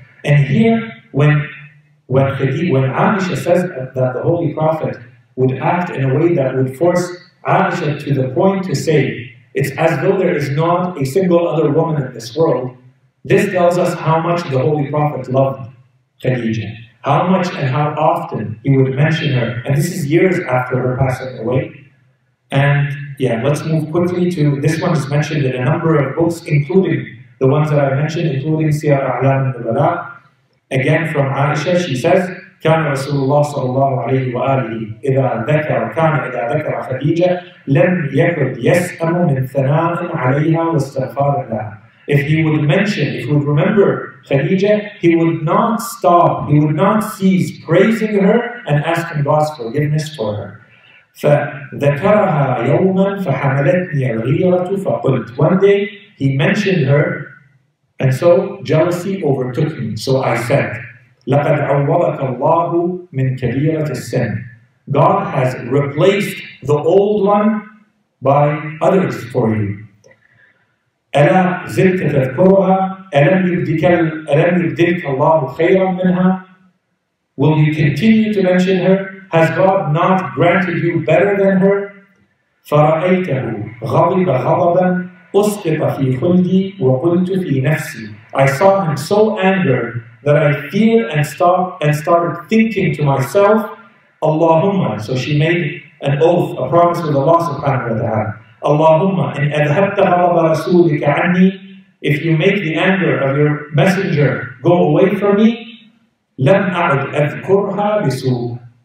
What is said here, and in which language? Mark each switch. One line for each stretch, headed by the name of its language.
English: And here, when Aisha says that the Holy Prophet would act in a way that would force Aisha to the point to say, it's as though there is not a single other woman in this world, this tells us how much the Holy Prophet loved Khadija. How much and how often he would mention her. And this is years after her passing away. And yeah, let's move quickly to, this one is mentioned in a number of books, including the ones that I mentioned, including Siyar A'lam al-Bala. Again from Aisha, she says,
Arabic: كان رسول الله صلى الله عليه وآله إذا ذكر كان إذا ذكر خديجة لم يكن يسأم من ثناء عليها واستغفار لها.
English: If he would mention, if he would remember Khadija, he would not stop, he would not cease praising her and asking God's forgiveness for her.
Arabic: فَذَكَرَهَا يَوْمًا فَحَمَلَتْنِيَ الْغِيرَةُ فَقُلْتُ.
English: One day he mentioned her, and so jealousy overtook me. So I said,
Arabic: لَقَدْ عَوَّضَكَ اللَّهُ مِنْ كَبِيرَةِ السِّنِ.
English: God has replaced the old one by others for you.
Arabic: ألا زلت تذكرها؟ ألم يبدلك الله خيرا منها؟
English: Will you continue to mention her? Has God not granted you better than her?
Arabic: فرأيته غضب غضبا أسقط في خلدي وقلت في نفسي.
English: I saw him so angered that I feared and started thinking to myself,
Arabic: اللهم.
English: So she made an oath, a promise with Allah subhanahu wa ta'ala.
Arabic: اللهم إن أذهبت غضب رسولك عني,
English: if you make the anger of your messenger go away from me,
Arabic: لم أعد أذكرها بسوء.